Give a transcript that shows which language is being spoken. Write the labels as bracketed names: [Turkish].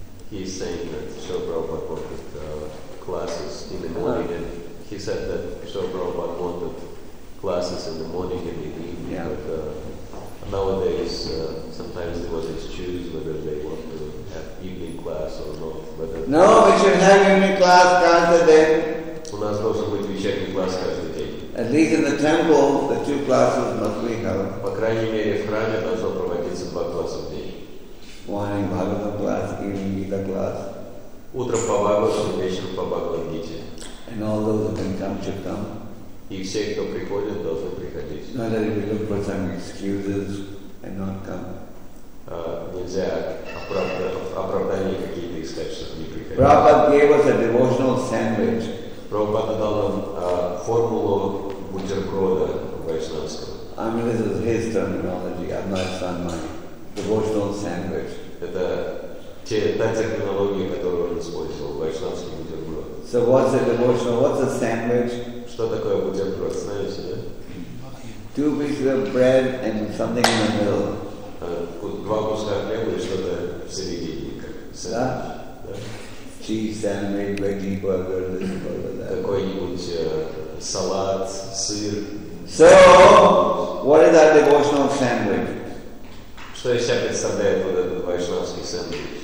[English] He is saying that Srila Prabhupada wanted classes in the morning, and he said that Srila Prabhupada wanted classes in the morning and in the evening, yeah. But nowadays sometimes devotees choose whether they want to have evening class or not. No, we should have evening class [Russian] каждый день. У нас должен быть вечерний класс каждый день. [English] At least in the temple, the two classes must be held. [Russian] По крайней мере, в храме должно проводиться два класса в день. [English] Morning Bhagavad class, evening Gita class. [Russian] Утром по Бхагавату, вечером по Бхагавад-гите. [English] And all those who can come should come. [Russian] И все, кто приходит, должны приходить. [English] Not that we look for some excuses and not come. [Russian] Нельзя оправдание какие-то искать, чтобы не приходить. [English] Prabhupada gave us a devotional sandwich. [Russian] Prabhupada дал нам формулу бутерброда вайшнавского. [English] I mean, this is his terminology. I'm not saying mine. Devotional sandwich. [Russian] Это та терминология, которую он использовал, вайшнавский бутерброд. [English] So what's a devotional? What's a sandwich? [Russian] Что такое бутерброд? Знаете, да? [English] Two pieces of bread and something in the middle. [Russian] Два куска хлеба и что-то в середине, как сэндвич. [English] Cheese sandwich, veggie burger, this burger, that. [Russian] Какой-нибудь салат, сыр. [English] So, what is that devotional sandwich? [Russian] Что из себя представляет вот этот вайшнавский сэндвич?